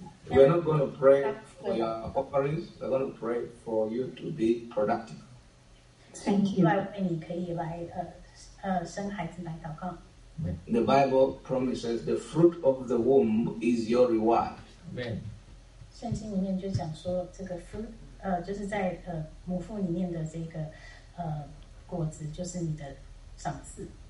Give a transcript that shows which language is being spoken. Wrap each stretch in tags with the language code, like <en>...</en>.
<en>We're not going to pray for your ovaries. We're going to pray for you to be productive. Thank you.</en> <zh>外面你可以来生孩子来祷告。</zh> <en>The Bible promises the fruit of the womb is your reward. Amen.</en> <zh>圣经里面就讲说这个 fruit 就是在母腹里面的这个果子就是你的赏赐。</zh>